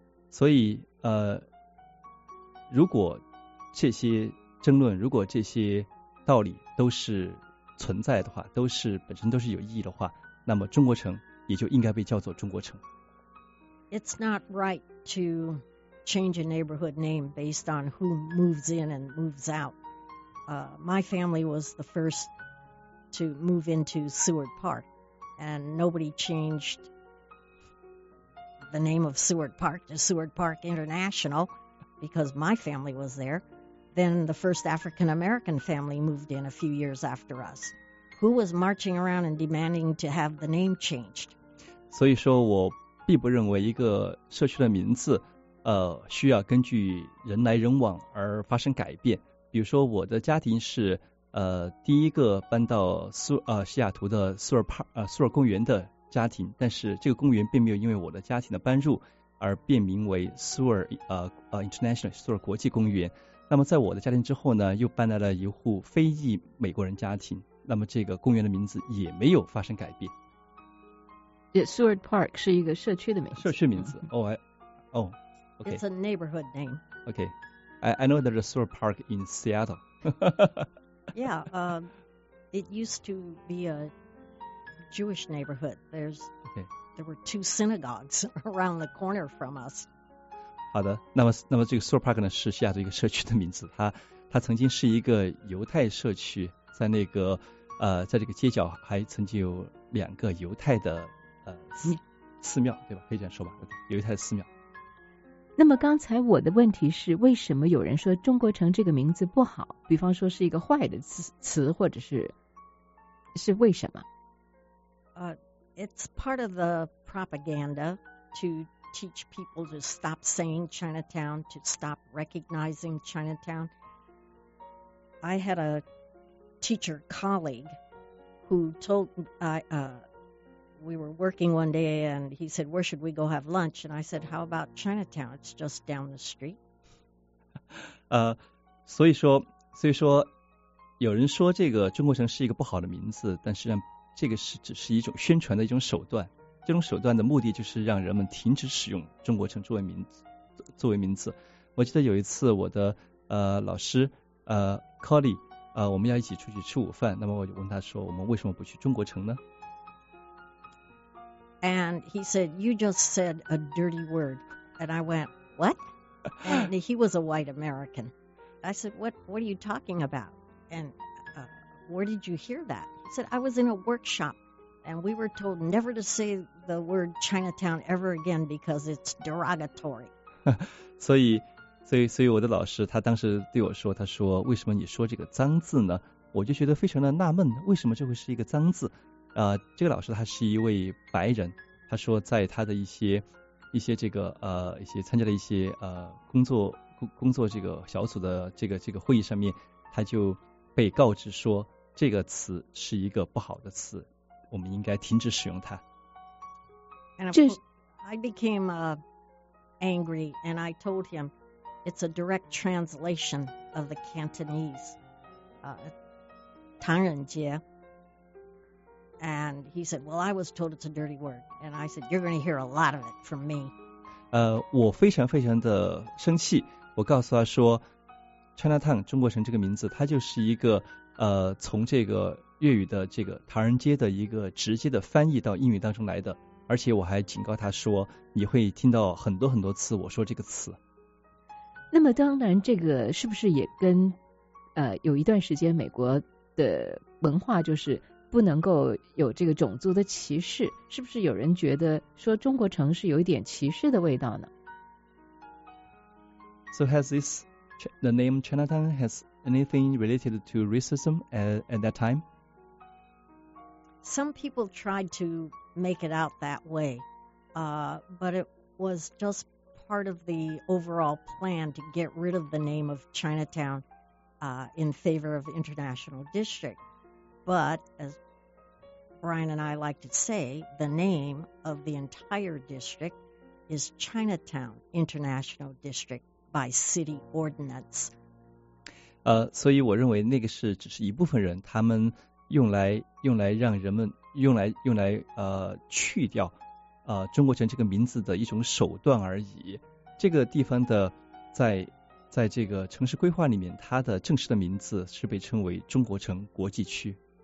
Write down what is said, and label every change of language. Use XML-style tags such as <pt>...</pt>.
<zh>所以如果这些争论，如果这些道理都是存在的话，都是本身都是有意义的话，那么中国城也就应该被叫做中国城。</zh> <en>It's not right to change a neighborhood name based on who moves in and moves out. My family was the first to move into Seward Park, and nobody changed the name of Seward Park to Seward Park International because my family was there. Then the first African American family moved in a few years after us. Who was marching around and demanding to have the name changed?</en> <zh>所以说我并不认为一个社区的名字需要根据人来人往而发生改变。比如说我的家庭是第一个搬到西雅图的苏尔公园的家庭，但是这个公园并没有因为我的家庭的搬入而变名为International 苏尔国际公园。那么在我的家庭之后呢，又搬来了一户非裔美国人家庭，那么这个公园的名字也没有发生改变。 Seward Park 是一个社区的名字。社区名字。</zh> <en>It's a neighborhood name. I know there's a Seward Park in Seattle. Yeah, it used to be a Jewish neighborhood. There were two synagogues around the corner from us.</en> <zh>好的，那么这个 Seward Park 呢是西雅图一个社区的名字。它曾经是一个犹太社区，在那个在这个街角还曾经有两个犹太的寺庙，对吧？可以这样说吧，犹太寺庙。那么刚才我的问题是，为什么有人说中国城这个名字不好？比方说是一个坏的词，或者是为什么？</zh> <en>It's part of the propaganda to teach people to stop saying Chinatown, to stop recognizing Chinatown. I had a teacher colleague who told we were working one day, and he said, "Where should we go have lunch?" And I said, "How about Chinatown? It's just down the street."</en> <zh>所以说，有人说这个中国城是一个不好的名字，但实际上这个是只是一种宣传的一种手段。这种手段的目的就是让人们停止使用中国城作为名字。我记得有一次，我的老师Collie 我们要一起出去吃午饭，那么我就问他说，我们为什么不去中国城呢？</zh> <en>And he said, "You just said a dirty word." And I went, "What?" And he was a white American. I said, "What are you talking about? And where did you hear that?" He said, "I was in a workshop, and we were told never to say the word Chinatown ever again because it's derogatory."</en> <zh>所以我的老师他当时对我说，他说，为什么你说这个脏字呢？我就觉得非常的纳闷，为什么这会是一个脏字？这个老师他是一位白人，他说在他的一些这个一些参加的一些工作这个小组的这个会议上面，他就被告知说这个词是一个不好的词，我们应该停止使用它。</zh> <en>And of course, I became angry, and I told him it's a direct translation of the Cantonese, 唐人街。 And he said, "Well, I was told it's a dirty word." And I said, "You're going to hear a lot of it from me."</en> <zh>我非常非常的生气。我告诉他说 ，Chinatown 中国城这个名字，它就是一个从这个粤语的这个唐人街的一个直接的翻译到英语当中来的。而且我还警告他说，你会听到很多很多次我说这个词。那么当然，这个是不是也跟有一段时间美国的文化就是？不能够有这个种族的歧视，是不是有人觉得说中国城是有一点歧视的味道呢？</zh> <en>So has this the name Chinatown has anything related to racism at that time? Some people tried to make it out that way, but it was just part of the overall plan to get rid of the name of Chinatown in favor of International District. But as Brian and I like to say, the name of the entire district is Chinatown International District by city ordinance.</en> <zh>所以我认为那个是只是一部分人他们用来让人们用来去掉中国城这个名字的一种手段而已。这个地方的在这个城市规划里面，它的正式的名字是被称为中国城国际区。</zh>